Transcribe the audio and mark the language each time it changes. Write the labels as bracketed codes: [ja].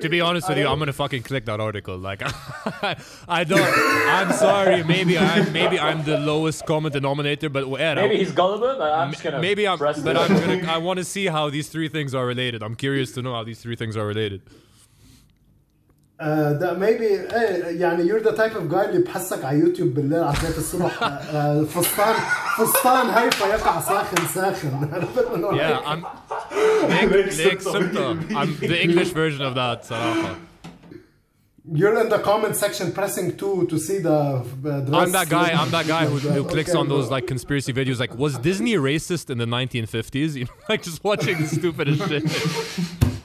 [en] To be honest with you, I'm going to fucking click that article. Like, I don't... I'm sorry. Maybe I'm the lowest common denominator, but... Maybe he's gullible, but I'm just going to... I want to see how these three things are related. I'm curious to know how these three things are related. You're the type of guy [ar] اللي بحسك على يوتيوب بالليل على ثلاثة الصبح فستان هيفا يقع ساخن. [en] I'm the English version of that, [ar] صراحة. [en] You're in the comment section pressing 2 to see the dress. I'm that guy who clicks on those like conspiracy videos, like, was Disney racist in the 1950s? Like, just watching the stupidest shit.